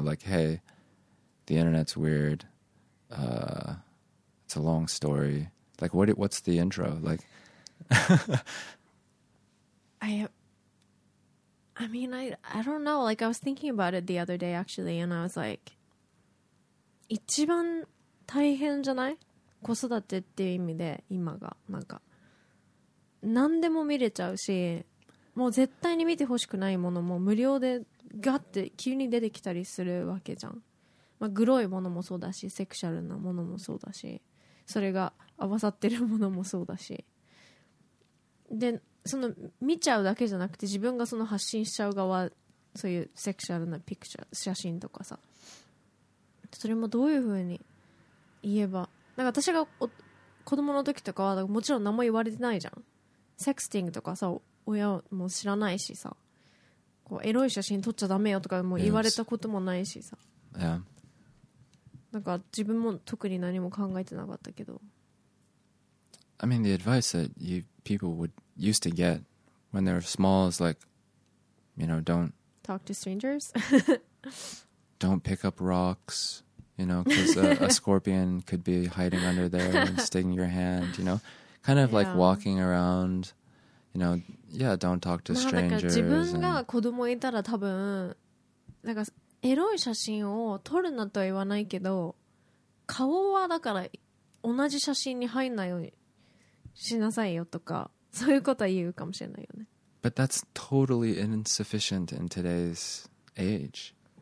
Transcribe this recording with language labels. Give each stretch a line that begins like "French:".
English: Like, hey, the internet's weird. It's a long story. Like, what's the intro? Like, I don't know. Like, I was thinking about it the other day, actually. And I was like,
Japanese: 一番大変じゃない? 子育てっていう意味で今がなんか何でも見れちゃうし。もう絶対に見てほしくないものも無料でガッて急に出てきたりするわけじゃん。まあグロいものもそうだし、セクシャルなものもそうだし、それが合わさってるものもそうだし、でその見ちゃうだけじゃなくて自分がその発信しちゃう側、そういうセクシャルなピクチャー写真とかさ、それもどういう風に言えば、なんか私が子供の時とかはもちろん何も言われてないじゃん。セクスティングとかさ、親も知らないしさ、こうエロい写真撮っちゃダメよとかも言われたこともないしさ、
English: yeah.
Japanese: なんか自分も特に何も考えてなかったけど、
English: I mean the advice that you people would used to get when they were small is like, you know, don't talk to strangers. Don't pick up rocks, you know, because a scorpion could be hiding under there and sticking your hand, you know, kind of like walking aroundYou know, yeah, don't talk to strangers.
Japanese: 自分が子供いたら多分なんかエロい写真を撮るなとは言わないけど、顔はだから同じ写真に入んないようにしなさいよとかそういうことは言うかもしれないよね。
English: But that's totally insufficient in today's age.